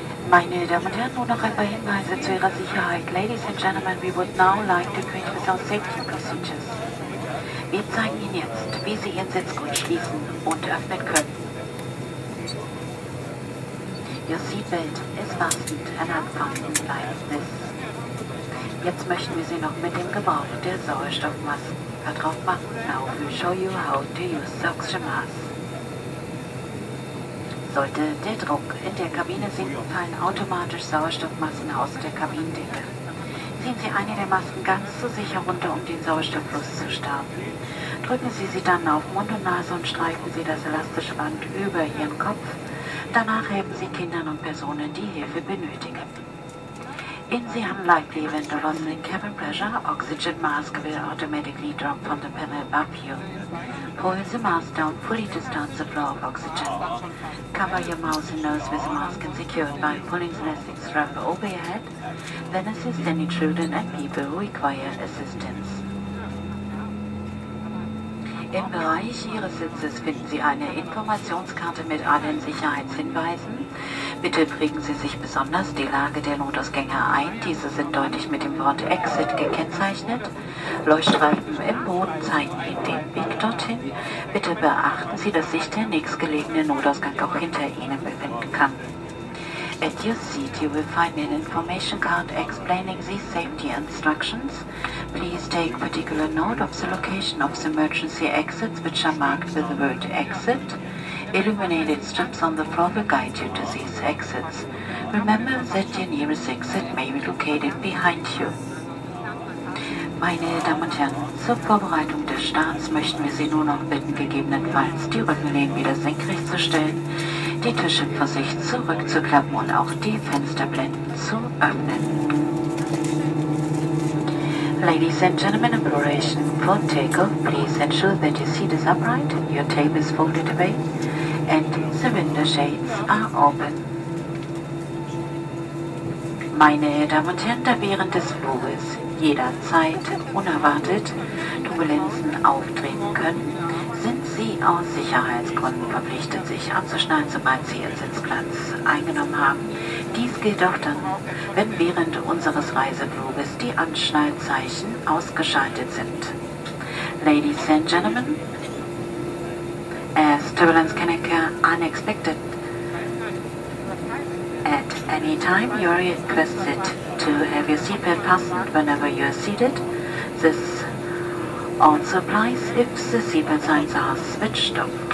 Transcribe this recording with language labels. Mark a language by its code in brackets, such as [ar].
[de] Meine Damen und Herren, nur noch ein paar Hinweise zu Ihrer Sicherheit. [en] Ladies and Gentlemen, we would now like to greet with our safety procedures. [de] Wir zeigen Ihnen jetzt, wie Sie Ihren Sitzgurt schließen und öffnen können. Ihr [en] Seatbelt [de] ist [en] fastened and unfastened like this. [de] Jetzt möchten wir Sie noch mit dem Gebrauch der Sauerstoffmasken vertraut machen. [en] Now we'll show you how to use the oxygen mask. [de] Sollte der Druck in der Kabine sinken, fallen automatisch Sauerstoffmasken aus der Kabinendecke. Ziehen Sie eine der Masken ganz zu sich herunter, um den Sauerstofffluss zu starten. Drücken Sie sie dann auf Mund und Nase und streichen Sie das elastische Band über Ihren Kopf. Danach helfen Sie Kindern und Personen, die Hilfe benötigen. In Sie haben [en] likely when the rustling cabin pressure, oxygen mask will automatically drop from the panel above you. Pull the mask down fully to start the flow of oxygen. Cover your mouth and nose with the mask and secure it by pulling the elastic strap over your head. Then assist any children and people who require assistance. [de] Im Bereich Ihres Sitzes finden Sie eine Informationskarte mit allen Sicherheitshinweisen. Bitte prägen Sie sich besonders die Lage der Notausgänge ein. Diese sind deutlich mit dem Wort Exit gekennzeichnet. Leuchtstreifen im Boden zeigen Ihnen den Weg dorthin. Bitte beachten Sie, dass sich der nächstgelegene Notausgang auch hinter Ihnen befinden kann. [en] At your seat, you will find an information card explaining the safety instructions. Please take particular note of the location of the emergency exits, which are marked with the word exit. Illuminated strips on the floor will guide you to these exits. Remember that your nearest exit may be located behind you. [de] Meine Damen und Herren, zur Vorbereitung des Starts möchten wir Sie nur noch bitten, gegebenenfalls die Rückenlehne wieder senkrecht zu stellen, die Tische vor sich zurückzuklappen und auch die Fensterblenden zu öffnen. [en] Ladies and gentlemen, in preparation for takeoff, please ensure that your seat is upright, your table is folded away, and the window shades are open. [de] Meine Damen und Herren, da während des Fluges jederzeit unerwartet Turbulenzen auftreten können, sind Sie aus Sicherheitsgründen verpflichtet, sich anzuschnallen, sobald Sie Ihren Sitzplatz eingenommen haben. Dies gilt auch dann, wenn während unseres Reisefluges die Anschnallzeichen ausgeschaltet sind. [en] Ladies and gentlemen, as turbulence can occur unexpected at any time, you are requested to have your seatbelt fastened whenever you are seated. This also applies if the seatbelt signs are switched off.